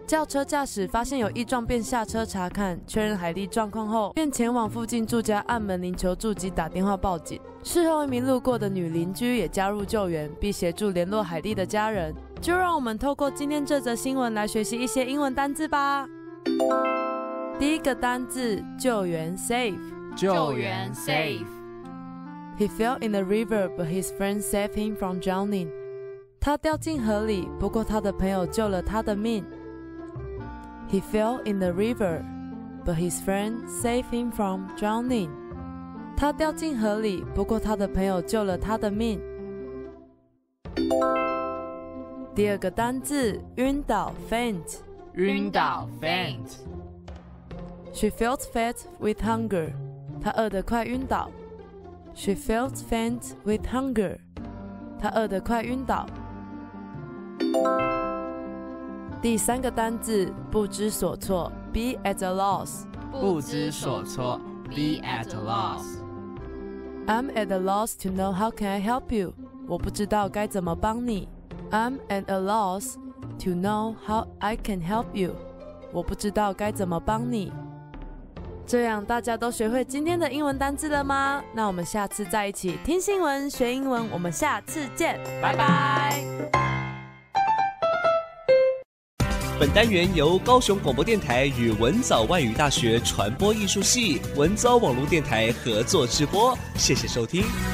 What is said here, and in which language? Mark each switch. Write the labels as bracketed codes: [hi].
[zh] 轿车驾驶发现有异状便下车查看，确认海莉状况后便前往附近住家按门铃求助及打电话报警。事后一名路过的女邻居也加入救援，并协助联络海莉的家人。就让我们透过今天这则新闻来学习一些英文单字吧。第一个单字，救援 save，救援 save [en] He fell in the river, but his friend saved him from drowning. [zh] 他掉进河里，不过他的朋友救了他的命。 [en] He fell in the river, but his friend saved him from drowning. [zh] 他掉进河里，不过他的朋友救了他的命。第二个单字，晕倒 faint. 晕倒 faint. [en] She felt faint with hunger. [zh] 她饿得快晕倒。 [en] She felt faint with hunger. [zh] 她饿得快晕倒。第三个单字，不知所措 ， [en] be at a loss. [zh] 不知所措 ， [en] be at a loss. I'm at a loss to know how can I help you. [zh] 我不知道该怎么帮你。 [en] I'm at a loss to know how I can help you. [zh] 我不知道该怎么帮你。这样大家都学会今天的英文单字了吗？那我们下次再一起听新闻学英文，我们下次见，拜拜。本单元由高雄广播电台与文藻外语大学传播艺术系文藻网络电台合作直播，谢谢收听。